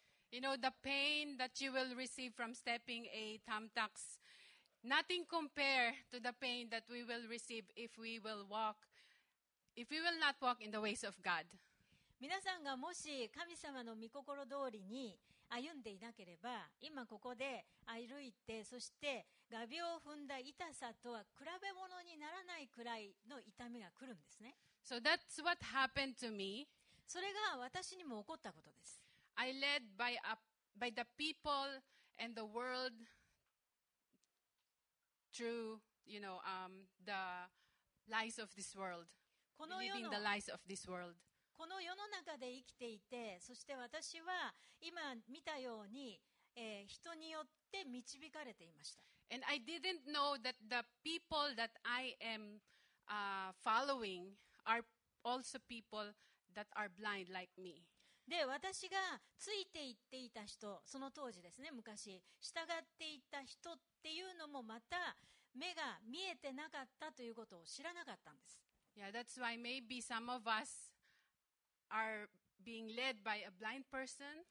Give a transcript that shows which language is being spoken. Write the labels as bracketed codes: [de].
[en] You know the pain that you will receive from stepping a thumbtacks Nothing compare to the pain that we will receive if we will walk, if we will not walk in the ways of God. [ja] 皆さんがもし神様の御心通りに歩んでいなければ、今ここで歩いて、そして画鋲を踏んだ痛さとは比べ物にならないくらいの痛みが来るんですね。 [en] So that's what happened to me. [ja] それが私にも起こったことです。 [en] I led by the people and the world through, you know, the lies of this world. [ja] この世の [en] Living the lies of this world. [ja] この世の中で生きていて、そして私は今見たように、人によって導かれていました。 [en] And I didn't know that the people that I am following are also people that are blind like me. [ja] で、私がついていっていた人、その当時ですね、昔、従っていた人っていうのもまた目が見えてなかったということを知らなかったんです。 [en] Yeah, that's why maybe some of usare being led by a blind person.